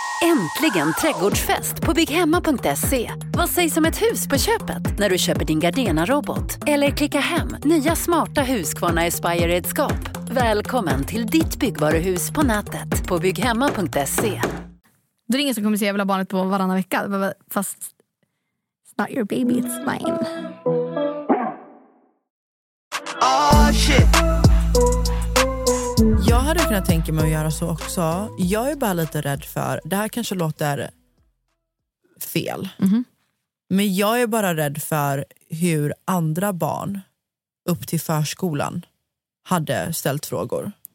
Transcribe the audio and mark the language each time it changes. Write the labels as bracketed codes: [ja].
[sv] Äntligen trädgårdsfest på bygghemma.se. Vad sägs om ett hus på köpet när du köper din Gardena-robot? Eller klicka hem nya smarta Husqvarna Aspire-redskap. Välkommen till ditt byggvaruhus på nätet på bygghemma.se. Då är ingen som kommer att se jävla barnet på varannan vecka. Fast [en] it's not your baby, it's mine. Oh, shit. [sv] Jag hade kunnat tänka mig att göra så också. Jag är bara lite rädd för... Det här kanske låter fel. Mm-hmm. Men jag är bara rädd för hur andra barn upp till förskolan hade ställt frågor.